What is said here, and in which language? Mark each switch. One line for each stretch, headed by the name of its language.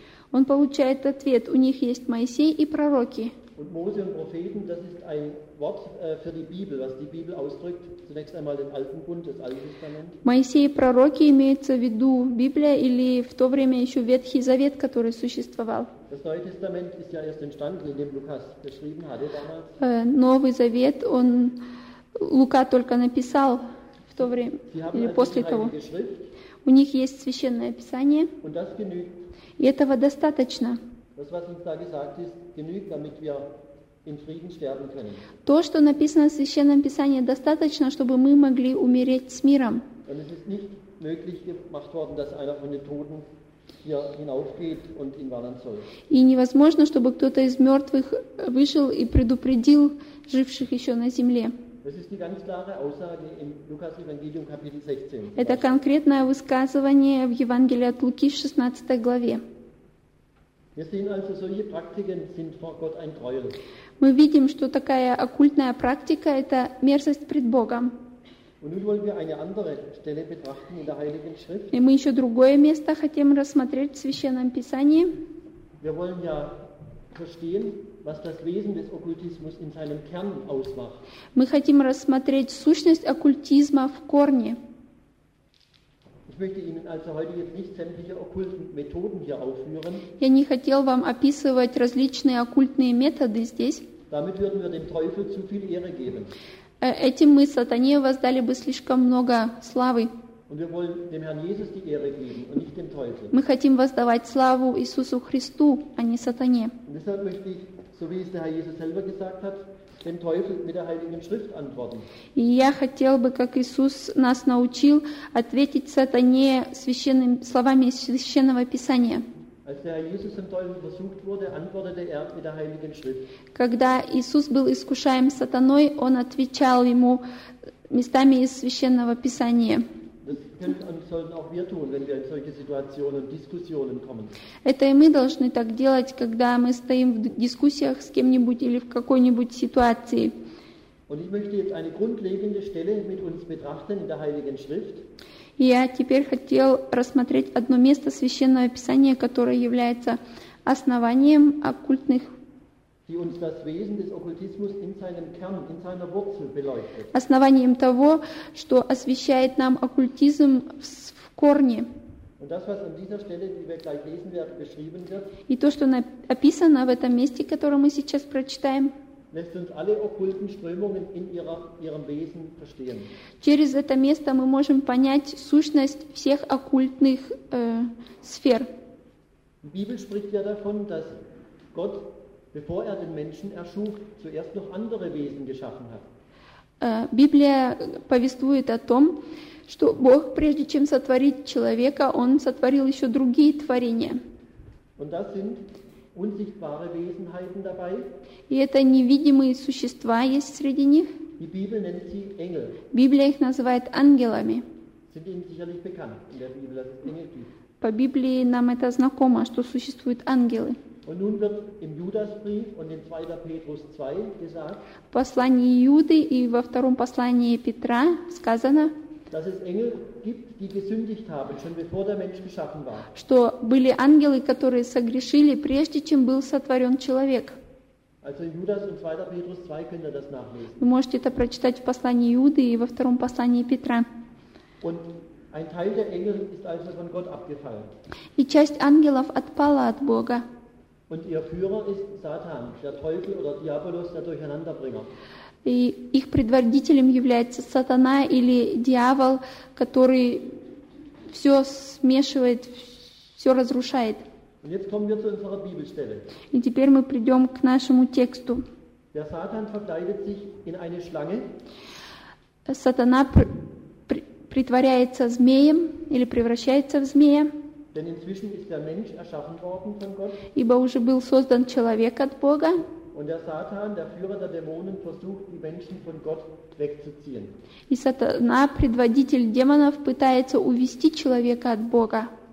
Russian: Он получает ответ: «У них есть Моисей и пророки».
German: Und Mose und Propheten, das ist ein Wort für die Bibel, was die Bibel ausdrückt, zunächst einmal den alten Bund, das Alte Testament.
Russian: Моисей и пророки имеются в виду Библия или в то время еще Ветхий Завет, который существовал.
German: Das Neue Testament ist ja erst entstanden, in dem Lukas geschrieben hatte damals.
Russian: Новый Завет он Лука только написал в то время или после того. У них есть Священное Писание.
German: Und das genügt.
Russian: И этого достаточно.
German: Das, was uns da gesagt ist, genügt, damit wir in Frieden sterben können.
Russian: То, что написано в Священном Писании, достаточно, чтобы мы могли умереть с миром.
German: Und es ist nicht möglich gemacht worden, dass einer von den Toten hier hinaufgeht und ihn warnen soll.
Russian: И невозможно, чтобы кто-то из мертвых вышел и предупредил живших еще на земле.
German: Das ist die ganz klare Aussage im Lukas-Evangelium, Kapitel 16.
Russian: Это конкретное высказывание в Евангелии от Луки, 16 главе.
German: Wir sehen also, solche Praktiken sind vor Gott ein Gräuel.
Russian: Мы видим, что такая оккультная практика – это мерзость пред Богом.
German: Und nun wollen wir eine andere Stelle betrachten in der Heiligen Schrift.
Russian: И мы еще другое место хотим рассмотреть в Священном Писании.
German: Wir wollen ja verstehen, was das Wesen des Okkultismus in seinem Kern ausmacht.
Russian: Мы хотим рассмотреть сущность оккультизма в корне.
German: Ich möchte Ihnen also heute jetzt nicht sämtliche okkulten Methoden hier aufführen.
Russian: Я не хотел вам описывать различные оккультные методы здесь.
German: Damit würden wir dem Teufel zu viel Ehre geben.
Russian: Этим мы Сатане воздали бы слишком много славы.
German: Und wir wollen dem Herrn Jesus die Ehre geben und nicht dem Teufel.
Russian: Мы хотим воздавать славу Иисусу Христу, а не Сатане.
German: Und deshalb möchte ich, so wie es der Herr Jesus selber gesagt hat, dem Teufel mit der Heiligen Schrift antworten.
Russian: И я хотел бы, как Иисус нас научил, ответить Сатане священными словами из Священного Писания.
German: Als der Herr Jesus vom Teufel versucht wurde, antwortete er mit der Heiligen Schrift.
Russian: Когда Иисус был искушаем Сатаной, он отвечал ему местами из Священного Писания.
German: Das können und sollten auch wir tun, wenn wir in solche Situationen und Diskussionen kommen.
Russian: Это и мы должны так делать, когда мы стоим в дискуссиях с кем-нибудь или в какой-нибудь ситуации.
German: Und ich möchte jetzt eine grundlegende Stelle mit uns betrachten in der Heiligen Schrift.
Russian: Я теперь хотел рассмотреть одно место Священного Писания, которое является основанием оккультных
German: die uns das Wesen des Okkultismus in seinem Kern, in seiner Wurzel beleuchtet.
Russian: Основанием того, что освещает нам оккультизм в корне.
German: Und das, was an dieser Stelle, die wir gleich lesen werden, beschrieben wird.
Russian: И то, что описано в этом месте, которое мы сейчас прочитаем.
German: Lässt uns alle okkulten Strömungen in ihrem Wesen verstehen.
Russian: Через это место мы можем понять сущность всех оккультных сфер.
German: Die Bibel spricht ja davon, dass Gott bevor er den Menschen erschuf, zuerst noch andere Wesen geschaffen hat.
Russian: Библия повествует о том, что Бог, прежде чем сотворить человека, он сотворил еще другие творения.
German: Und das sind unsichtbare Wesenheiten dabei.
Russian: И это невидимые существа есть среди них.
German: Die Bibel nennt sie Engel.
Russian: Библия их называет ангелами.
German: Sind Ihnen sicherlich bekannt in der Bibel, dass es Engel gibt.
Russian: По Библии нам это знакомо, что существуют ангелы.
German: Und nun wird im Judasbrief und in 2. Petrus 2 gesagt,
Russian: в послании Иуды и во втором послании Петра сказано,
German: dass es Engel gibt, die gesündigt haben, schon bevor der Mensch geschaffen war.
Russian: Что были ангелы, которые согрешили, прежде чем был сотворен человек.
German: Also in Judas und 2. Petrus 2 könnt ihr das nachlesen.
Russian: Вы можете это прочитать в послании Иуды и во втором послании Петра.
German: Und ein Teil der Engel ist also von Gott abgefallen.
Russian: И часть ангелов отпала от Бога.
German: Und ihr Führer ist Satan, der Teufel oder Diabolos, der Durcheinanderbringer.
Russian: И их предводителем является Сатана или дьявол, который все смешивает, все разрушает.
German: Und jetzt kommen wir zu unserer Bibelstelle.
Russian: И теперь мы придем к нашему тексту.
German: Der Satan verkleidet sich in eine Schlange.
Russian: Сатана притворяется змеем или превращается в змея.
German: Denn inzwischen ist der Mensch erschaffen worden von Gott.
Russian: Ибо уже был создан человек от Бога.
German: Und der Satan, der Führer der Dämonen, versucht die Menschen von Gott wegzuziehen.
Russian: И сатана, предводитель демонов, пытается увести человека от Бога.